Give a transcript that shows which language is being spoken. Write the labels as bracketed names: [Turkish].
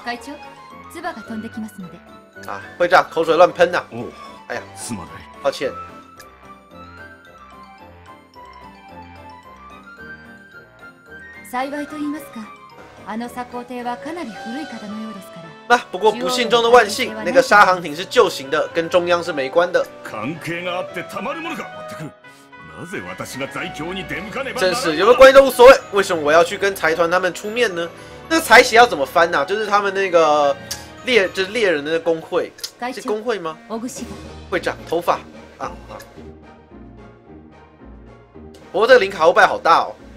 [Chinese] 会长， [Japanese] 唾が飛んできますので。 [Chinese] 啊，会长，口水乱喷呐、啊！哦，哎呀， [Japanese] すまない。 [Chinese] 抱歉。 [Japanese] 幸いと言いますか、あの鎖国艇はかなり古い方のようですから。 [Chinese] 啊、不过不幸中的万幸，那个沙航艇是旧型的，跟中央是没关的。 [Japanese] 関係があってたまるものか。なぜ私が在京に出向かねば。 [Chinese] 真是，有没有关系都无所谓，为什么我要去跟财团他们出面呢？那财协要怎么翻呢、啊？就是他们那个猎人的工会，是工会吗？会长，头发啊啊！不过这个林卡欧拜好大哦。